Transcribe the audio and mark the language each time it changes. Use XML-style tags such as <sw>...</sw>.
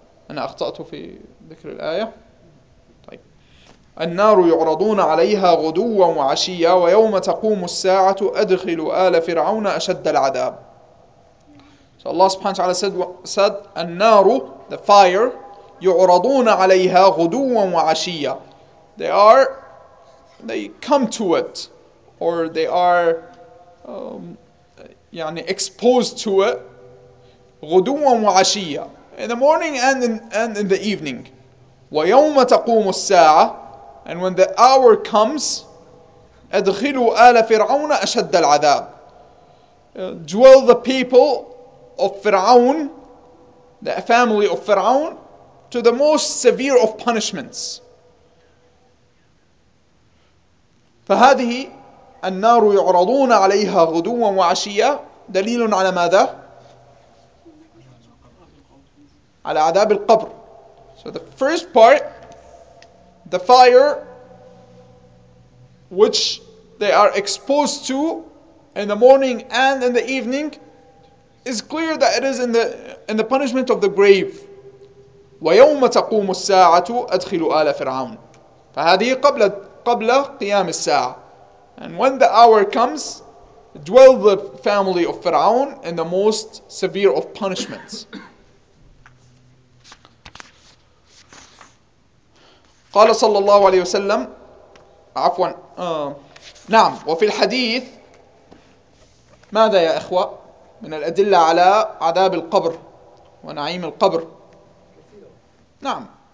<ar>أنا أخطأت في ذكر الآية. طيب. النار يعرضون عليها غدوا وعشيا ويوم تقوم الساعة أدخلوا آل فرعون أشد العذاب. So الله سبحانه وتعالى said النار</ar> <en>the fire</en> <ar>يعرضون عليها غدوا وعشيا.</ar> <en>they come to it, or they are exposed to it,</en> <ar>غُدُوًا وَعَشِيًّا,</ar> <en>in the morning and in the evening.</en> <ar>وَيَوْمَ تَقُومُ السَّاعَةِ,</ar> <en>and when the hour comes,</en> <ar>أَدْخِلُوا آلَ فِرْعَوْنَ أَشَدَّ الْعَذَابِ,</ar> <en>dwell the people of Fir'aun, the family of Fir'aun, to the most severe of punishments.</en> <ar>فهذه النار يعرضون عليها غدوا وعشيا دليل على ماذا؟ على عذاب القبر.</ar> <en>So the first part, the fire which they are exposed to in the morning and in the evening, is clear that it is in the punishment of the grave.</en> <ar>ويوم تقوم الساعة أدخل آل فرعون. فهذه قبل قيام الساعة.</ar> <en>And when the hour comes, dwell the family of Fir'aun in the most severe of punishments.</en> <ar>قال صلى الله عليه وسلم, عفوا, نعم, وفي الحديث ماذا يا إخوة من الأدلة على عذاب القبر ونعيم القبر؟ نعم.</ar>